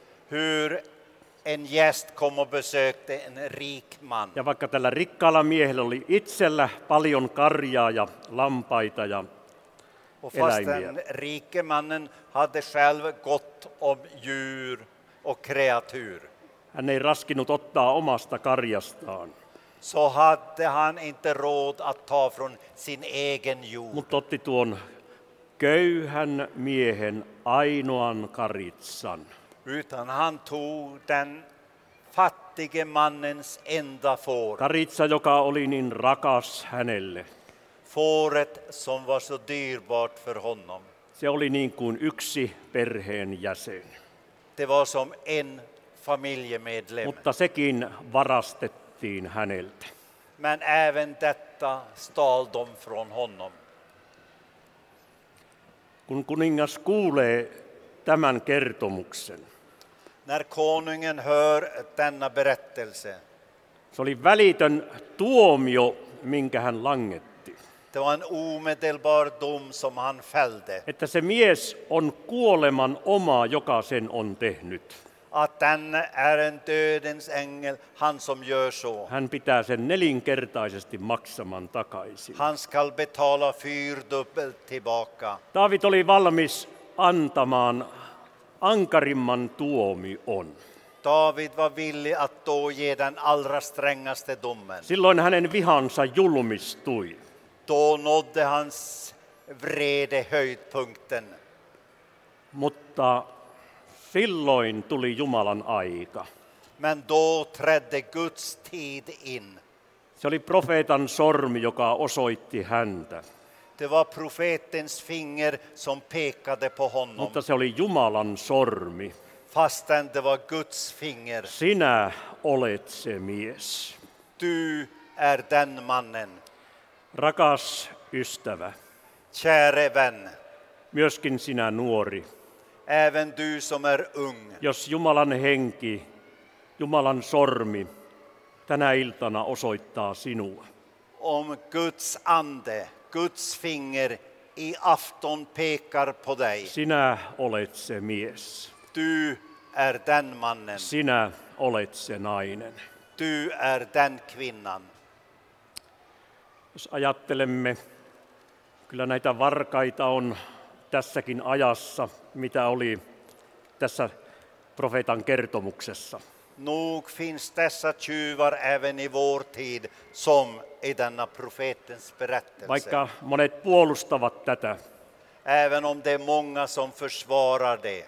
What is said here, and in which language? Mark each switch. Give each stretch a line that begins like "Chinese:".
Swedish: Hur en gäst kom och besökte en rik man.
Finnish: Ja vaikka tällä rikkaalla miehellä oli itsellä paljon karjaa ja lampaita ja eläimiä.
Swedish: Och fast den rike mannen hade själv gott om djur och kreatur.
Finnish: Hän ei raskinut ottaa omasta karjastaan.
Swedish: Så hade han inte råd att ta från sin egen jord.
Finnish: Mutta otti tuon köyhän miehen ainoan karitsan.
Swedish: Utan han tog den fattige mannens enda får.
Finnish: Karitsa, joka oli niin rakas hänelle.
Swedish: Fåret som var så dyrbart för honom.
Finnish: Se oli niin kuin yksi perheen jäsen.
Swedish: Det var som en familjemedlem.
Finnish: Mutta sekin varastettiin häneltä.
Swedish: Men även detta stal de från honom.
Finnish: Kun kuningas kuulee tämän kertomuksen.
Swedish: När konungen hör denna berättelse.
Finnish: Se oli välitön tuomio, minkä hän langetti.
Swedish: Det var en omedelbar dom som han fällde.
Finnish: Että se mies on kuoleman oma, joka sen on tehnyt.
Swedish: Att den är en dödens ängel, han som gör så.
Finnish: Hän pitää sen nelinkertaisesti maksaman takaisin.
Swedish: Han skall betala fyrdubbelt tillbaka.
Finnish: David oli valmis antamaan ankarimman tuomion.
Swedish: David var villig att då ge den allra strängaste domen.
Finnish: Silloin hänen vihansa julmistui.
Swedish: Då nådde hans vrede höjdpunkten.
Finnish: Mutta silloin tuli Jumalan aika.
Swedish: Men då trädde Guds tid in.
Finnish: Se oli profeetan sormi, joka osoitti häntä.
Swedish: Det var profetens finger som pekade på honom.
Finnish: Mutta se oli Jumalan sormi.
Swedish: Fastän det var Guds finger.
Finnish: Sinä olet se mies.
Swedish: Du är den mannen.
Finnish: Rakas ystävä.
Swedish: Käre vän.
Finnish: Myöskin sinä nuori.
Swedish: Även du som är ung.
Finnish: Jos Jumalan henki, Jumalan sormi tänä iltana osoittaa sinua.
Swedish: Om Guds ande, Guds finger i afton pekar på dig.
Finnish: Sinä olet se mies.
Swedish: Du är den mannen.
Finnish: Sinä olet se nainen.
Swedish: Du är den kvinnan.
Finnish: Jos ajattelemme, kyllä näitä varkaita on tässäkin ajassa, mitä oli tässä profeetan kertomuksessa.
Swedish: Nog finns dessa tjuvar även i vår tid som i denna profetens berättelse.
Finnish: Vaikka monet puolustavat tätä.
Swedish: Även om det är många som försvarar det.